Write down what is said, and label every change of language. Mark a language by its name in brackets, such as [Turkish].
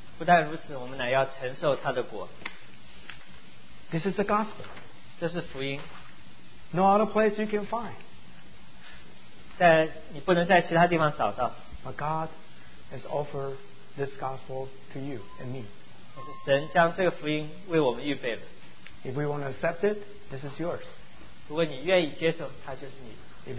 [Chinese] 不但如此，我们乃要承受他的果。 [English] This is the gospel. [Chinese] 这是福音。 [English] No other place you can find. [Chinese] 你不能在其他地方找到。 [English] But God has offered this gospel to you and me. [Chinese] 神将这个福音为我们预备了。 [English] If we want to accept it, this is yours. [Chinese] 如果你愿意接受，它就是你的。 [English] If